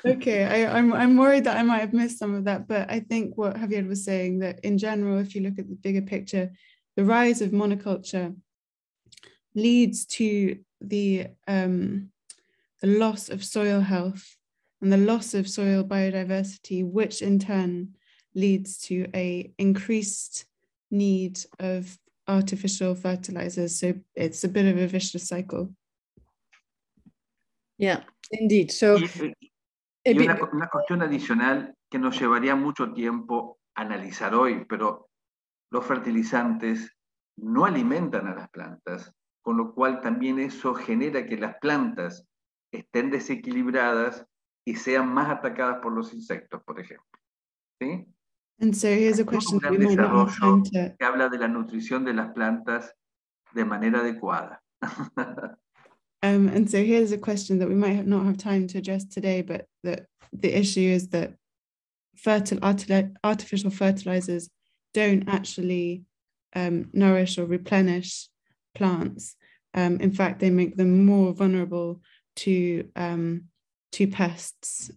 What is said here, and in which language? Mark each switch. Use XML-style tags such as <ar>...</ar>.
<en>Okay, I'm worried that I might have missed some of that, but I think what Javier was saying, that in general, if you look at the bigger picture, the rise of monoculture leads to the loss of soil health and the loss of soil biodiversity, which in turn leads to a increased need of artificial fertilizers. So it's a bit of a vicious cycle. Yeah, indeed. So</en> <es>una cuestión adicional que nos llevaría mucho tiempo analizar hoy, pero los fertilizantes no alimentan a las plantas, con lo cual también eso genera que las plantas estén desequilibradas y sean más atacadas por los insectos, por ejemplo. ¿Sí?</es> <en>And so here's a question.</en> <es>Un gran desarrollo que habla de la nutrición de las plantas de manera adecuada.</es> <en>And so here's a question that we might not have time to address today, but that the issue is that artificial fertilizers don't actually nourish or replenish plants. In fact, they make them more vulnerable to pests.</en>